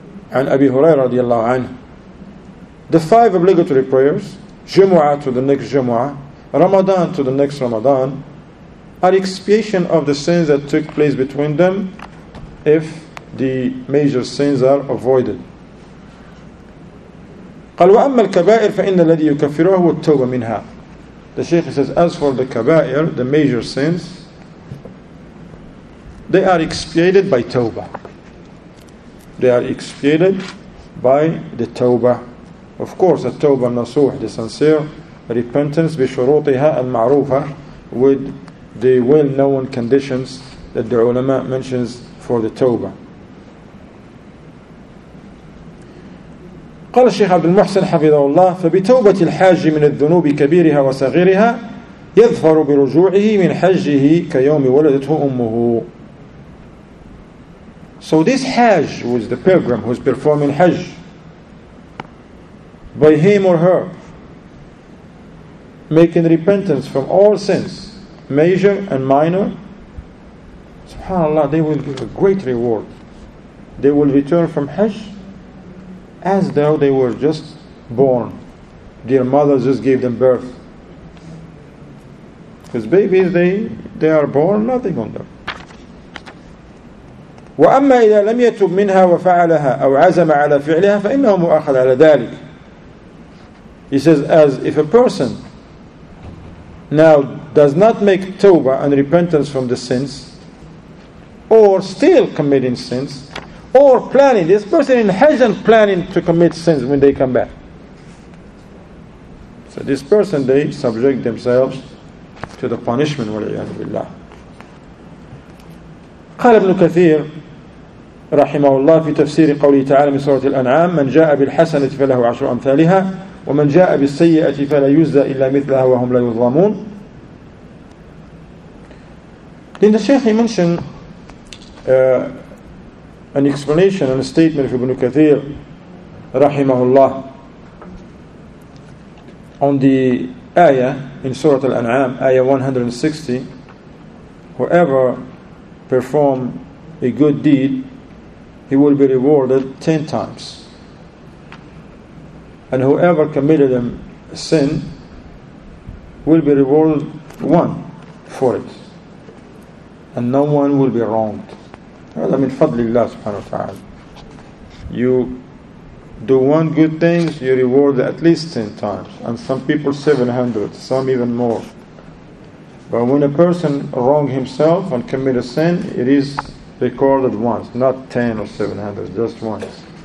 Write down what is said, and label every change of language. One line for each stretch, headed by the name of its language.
English: An Abi Hurairah radiyallahu anhu, the five obligatory prayers, Jumu'ah to the next Jumu'ah, Ramadan to the next Ramadan, are expiation of the sins that took place between them if the major sins are avoided.
Arabic: قال وأما الكبائر فإن الذي يكفره هو التوبة منها.
English: The Shaykh says, as for the kabair, the major sins, they are expiated by tawbah. They are expiated by the tawbah. Of course, the tawbah nasuh, the sincere repentance,
Arabic: bishurutiha al-ma'rufa,
English: with the well-known conditions that the ulama mentions for the tawbah.
Arabic: قال الشيخ عبد المحسن حفظه الله فبتوبة الحاج من الذنوب كبيرها وصغيرها يظفر برجوعه من حجه كيوم ولدته أمه.
English: So this Hajj was the pilgrim who is performing Hajj. By him or her, making repentance from all sins, major and minor, subhanAllah, they will give a great reward. They will return from Hajj as though they were just born. Their mother just gave them birth. Because babies, they are born, nothing on them.
Arabic: وَأَمَّا إِذَا لَمْ يَتُبْ مِنْهَا وَفَعَلَهَا أَوْ عَزَمَ عَلَى فِعْلِهَا فَإِنَّهُ مُؤَخَذَ عَلَى ذَلِكَ.
English: He says, as if a person now does not make tawbah and repentance from the sins, or still committing sins, or planning, this person in Hajj and planning to commit sins when they come back. So this person, they subject themselves to the punishment.
Arabic: وَلِعْيَانُ بِاللَّهِ. قال ابن كثير رحمه الله في تفسير قوله تعالى من سورة الأنعام من جاء بالحسنة فله عشر أمثالها ومن جاء بالسيئة فلا يجزى إلا مثلها وهم لا يظلمون.
English: Then the Shaykh mentioned an explanation and a statement of Ibn Kathir rahimahullah on the ayah in Surah Al-An'am, ayah 160, whoever perform a good deed, he will be rewarded 10 times. And whoever committed a sin will be rewarded one for it. And no one will be wronged.
Arabic: هذا من فضل الله سبحانه وتعالى.
English: You do one good thing, you reward at least 10 times. And some people 700, some even more. But when a person wrong himself and commit a sin, it is recorded once, not 10 or 700, just once.